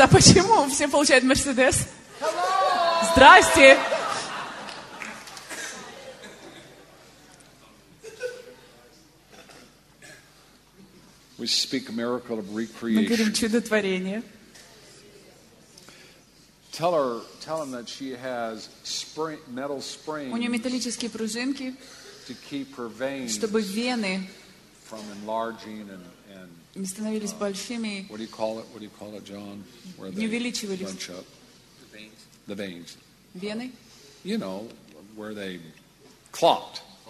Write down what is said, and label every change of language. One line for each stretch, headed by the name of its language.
Russian: А почему все получают Мерседес? Здрасте!
English: We speak a miracle of recreation.
Russian: Мы говорим чудотворение.
English: Tell her, tell him that she has spring, metal springs.
Russian: У нее металлические пружинки.
English: To keep her veins.
Russian: Чтобы вены.
English: From enlarging and.
Russian: Не становились большими.
English: What do you call it? What do you call it, John? Where they bunch up. The veins. The veins.
Russian: Вены.
English: You know where they clot.